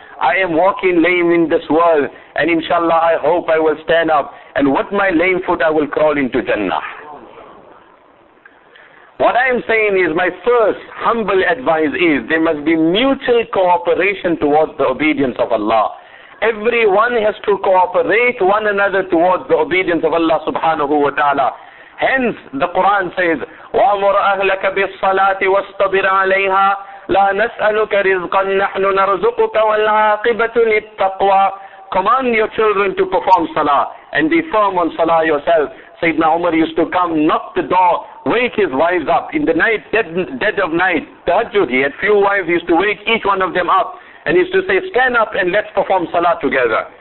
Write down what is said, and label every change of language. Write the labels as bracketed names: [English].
[English] I am walking lame in this world, and inshallah I hope I will stand up, and with my lame foot I will crawl into Jannah. What I am saying is, my first humble advice is, there must be mutual cooperation towards the obedience of Allah. Everyone has to cooperate one another towards the obedience of Allah subhanahu wa ta'ala. Hence the Quran says, [Arabic] وَأَمُرْ أَهْلَكَ بِالصَّلَاةِ وَاسْتَبِرْ عَلَيْهَا لَا نَسْأَلُكَ رِزْقًا نَحْنُ نَرْزُقُكَ وَالْعَاقِبَةُ لِلتَّقْوَى. [English] Command your children to perform salah and be firm on salah yourself. Sayyidina Umar used to come, knock the door, wake his wives up in the night, dead of night. Tahajjud, he had few wives, he used to wake each one of them up, and he used to say, stand up and let's perform salah together.